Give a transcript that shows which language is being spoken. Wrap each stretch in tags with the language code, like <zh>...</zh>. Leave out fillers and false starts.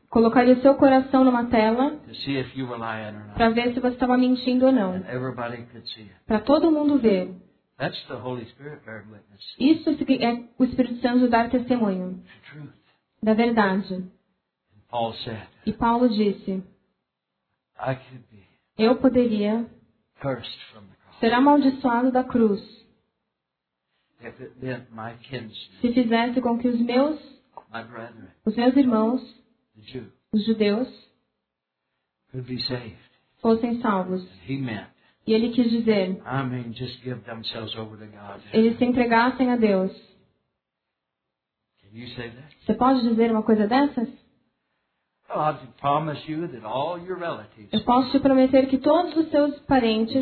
<pt>Colocaria seu coração numa tela para ver se você estava mentindo ou não. Para todo mundo ver.</pt> <en>That's the Holy Spirit bearing witness.</en> <pt>Isso é o Espírito Santo dar testemunho da verdade.</pt> <en>Paul said,</en> <pt>e Paulo disse,</pt> <en>I could be</en> <pt>eu poderia</pt> <en>cursed from the cross.</en> <pt>Ser amaldiçoado da cruz</pt> <en>if it meant my kinsmen,</en> <pt>se fizesse com que os meus</pt> <en>my brethren,</en> <pt>os meus irmãos os judeus</pt> <en>could be saved.</en> <pt>Fossem salvos.</pt> <en>He meant,</en> <pt>e ele quis dizer,</pt> <en>I mean, just give themselves over to God.</en> <pt>Eles se entregassem a Deus.</pt> <en>Can you say that?</en> <pt>Você pode dizer uma coisa dessas?</pt> <en>Well, I'll promise you that all your relatives,</en> <pt>eu posso te prometer que todos os seus parentes,</pt>